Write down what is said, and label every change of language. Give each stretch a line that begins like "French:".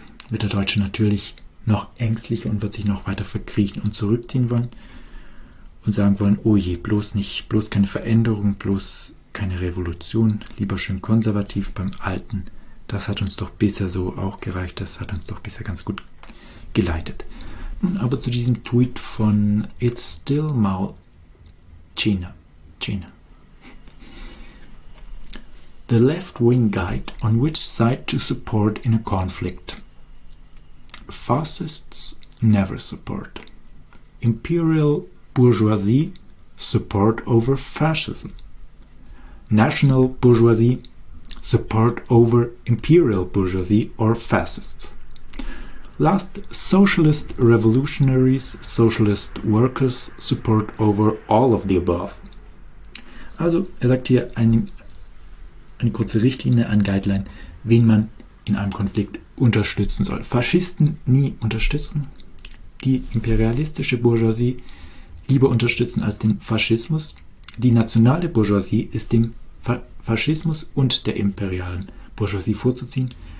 German: wird der Deutsche natürlich noch ängstlicher und wird sich noch weiter verkriechen und zurückziehen wollen und sagen wollen, oh je, bloß nicht, bloß keine Veränderung, bloß keine Revolution, lieber schön konservativ beim Alten, das hat uns doch bisher so auch gereicht, das hat uns doch bisher ganz gut geleitet. Nun aber zu diesem Tweet von It's Still Mao China.
English: The left-wing guide on which side to support in a conflict. Fascists never support. Imperial bourgeoisie support over fascism. National bourgeoisie support over imperial bourgeoisie or fascists. Last, socialist revolutionaries, socialist workers support over all of the above.
German: Also, er sagt hier eine kurze Richtlinie, ein Guideline, wen man in einem Konflikt unterstützen soll. Faschisten nie unterstützen, die imperialistische Bourgeoisie lieber unterstützen als den Faschismus, Die nationale Bourgeoisie ist dem Faschismus und der imperialen Bourgeoisie vorzuziehen.